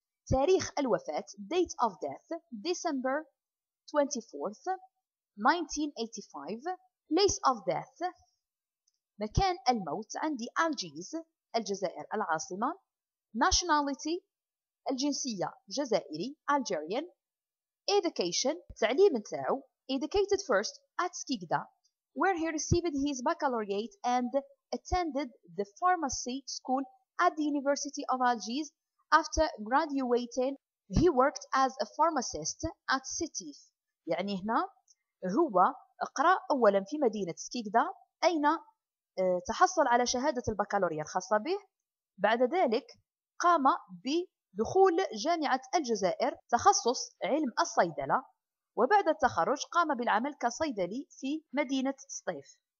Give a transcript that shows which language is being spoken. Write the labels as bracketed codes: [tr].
[ar] تاريخ الوفاة [en] date of death December 24th 1985. place of death [ar] مكان الموت عندي ألجيز الجزائر العاصمة. [en] Nationality [ar] الجنسية جزائري [en] Algerian. Education [ar] تعليم نتاعو [en] Educated first at Skikda where he received his baccalaureate and attended the pharmacy school at the University of Algiers. After graduating he worked as a pharmacist at Sétif. [ar] يعني هنا هو قرأ أولا في مدينة Skikda أين تحصل على شهادة البكالوريا الخاصة به. بعد ذلك قام بدخول جامعة الجزائر تخصص علم الصيدلة وبعد التخرج قام بالعمل كصيدلي في مدينة سطيف.